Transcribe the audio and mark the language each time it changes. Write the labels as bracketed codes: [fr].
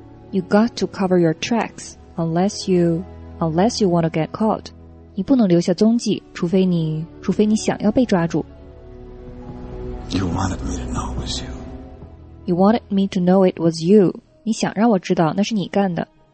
[en] You got to cover your tracks unless you want to get caught. [zh] 你不能留下踪迹，除非你想要被抓住。 [en] You wanted me to know it was you. You wanted me to know it was you. [zh] 你想让我知道那是你干的。